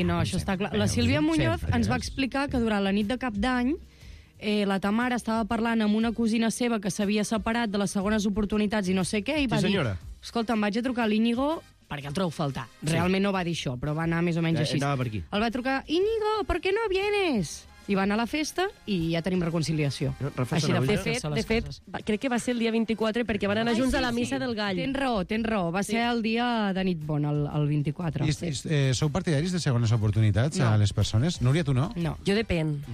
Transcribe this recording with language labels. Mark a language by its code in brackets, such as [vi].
[ca] Sí, no, això està clar. La Sílvia Muñoz ens va explicar que durant la nit de Cap d'Any la Tamara estava parlant amb una cosina seva que s'havia separat de les segones oportunitats i no sé què, i va dir... Escolta, em vaig a trucar a l'Íñigo perquè el trobo a faltar. Realment no va dir això, però va anar més o menys així. Anava per aquí. El va trucar, [es] Íñigo, ¿por qué no vienes? [ca] I va anar a la festa i ja tenim reconciliació. Així de fet, crec que va ser el dia 24 perquè van anar junts a la missa del Gall. Tens raó. Va ser el dia de nit bon, el 24. Sou partidaris de segones oportunitats a les persones? Núria, tu no? No, jo depèn.